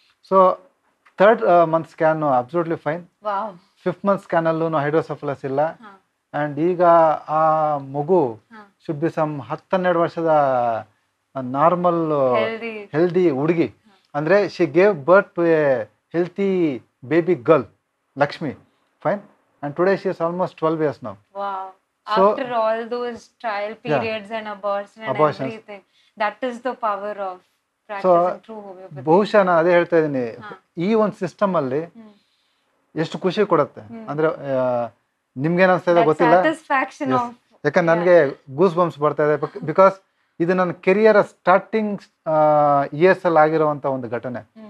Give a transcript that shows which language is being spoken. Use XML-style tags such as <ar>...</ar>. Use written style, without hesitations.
<en>so third month scan absolutely fine, fifth month ಸ್ಕ್ಯಾನಲ್ಲೂ hydrocephalus</en> <kn>ಇಲ್ಲ.</kn> <en>and</en> <kn>ಈಗ ಆ ಮಗು</kn> <en>should be some 10-12</en> <kn>ವರ್ಷದ</kn> <en>normal healthy</en> <kn>ಹುಡುಗಿ. ಅಂದರೆ</kn> <en>She gave birth to a healthy baby girl Lakshmi. Fine. And today she is almost 12 years now. So, after all those trial periods and abortions and abortions, everything, that is the power of practicing true homeopathy.</en> <kn>ಬಹುಶಃ ನಾನು ಅದೇ ಹೇಳ್ತಾ ಇದ್ದೀನಿ, ಈ ಒಂದು system ಅಲ್ಲಿ ಎಷ್ಟು ಖುಷಿ ಕೊಡುತ್ತೆ ಅಂದ್ರೆ ನಿಮ್ಗೇನ ಅನ್ಸ್ತಾ ಗೊತ್ತಿಲ್ಲ, ಯಾಕಂದ್ರೆ ನನಗೆ ಗೂಸ್ ಬಂಪ್ಸ್ ಬರ್ತಾ ಇದೆ.</kn> <en>because</en> <kn>ಇದು ನನ್ನ</kn> <en>career starting years</en> <kn>ಅಲ್ಲಿ ಆಗಿರುವಂತ ಒಂದು ಘಟನೆ.</kn>